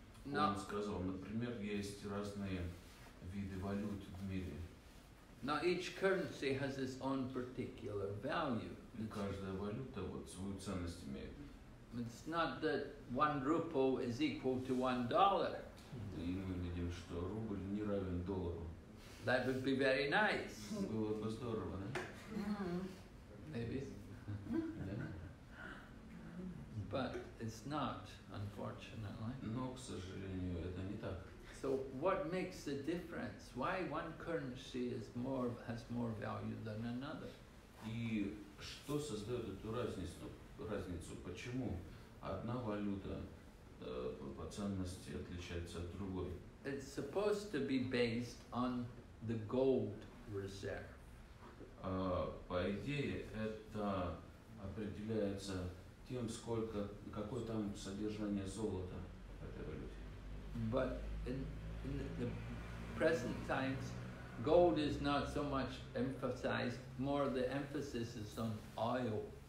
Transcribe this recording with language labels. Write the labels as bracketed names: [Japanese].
[Russian] Он сказал, например, есть разные виды валют в мире. [English] Now each currency has its own particular value. [Russian] Каждая валюта свою ценность имеет. [English] It's not that one rupee is equal to one dollar. [Russian] И мы видим, что рубль не равен доллару. [English] That would be very nice. [Russian] Было бы здорово, да? [English] Maybe. But it's not, unfortunately. [Russian] Но, к сожалению, это не так. [English] So what makes the difference? Why one currency has more value than another? [Russian] И что создает эту разницу? Почему одна валюта по ценности отличается от другой? [English] It's supposed to be based on the gold reserve. [Russian] По идее, это определяется тем, сколько, какое там содержание золота в этой валюте. [English] But in the present times, gold is not so much emphasized, more the emphasis is on oil.